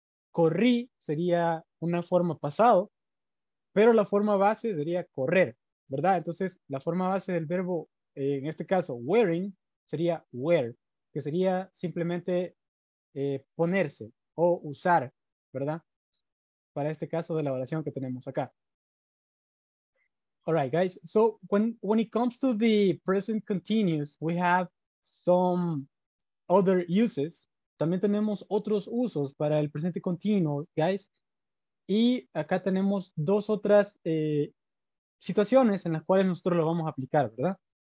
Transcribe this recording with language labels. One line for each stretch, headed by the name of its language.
Spanish: Corrí sería una forma pasado. Pero la forma base sería correr, ¿verdad? Entonces, la forma base del verbo, en este caso, wearing, sería wear, que sería simplemente ponerse o usar, ¿verdad? Para este caso de la oración que tenemos acá.
English: All right, guys. So, when it comes to the present continuous, we have some other uses.
Spanish: También tenemos otros usos para el presente continuo, guys. Y acá tenemos dos otras situaciones en las cuales nosotros lo vamos a aplicar, ¿verdad?